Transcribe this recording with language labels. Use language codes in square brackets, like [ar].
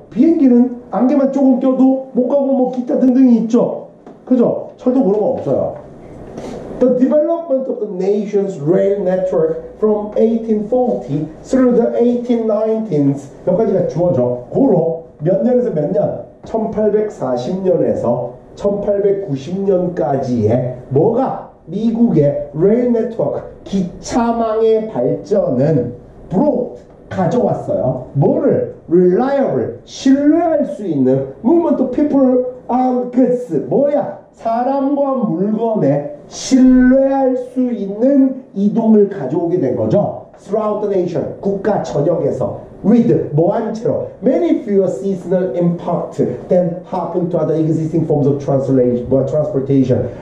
[ko] 비행기는 안개만 조금 껴도 못 가고 뭐 기타 등등이 있죠. 그죠? 철도 그런 거 없어요. [en] The development of the nation's rail network from 1840 through the 1819s [ko] 여기까지가 주어져. 고로 몇 년에서 몇 년? 1840년에서 1890년까지의 뭐가? 미국의 [en] rail network, [ko] 기차망의 발전은 [en] brought, [ko] 가져왔어요. 뭐를? [en] reliable, [ko] 신뢰할 수 있는 [en] movement of people and goods, [ko] 뭐야? 사람과 물건에 신뢰할 수 있는 이동을 가져오게 된 거죠. [en] Throughout the nation, [ko] 국가 전역에서 [en] with, [ko] 뭐한 채로 [en] many fewer seasonal impact than happened to other existing forms of transportation.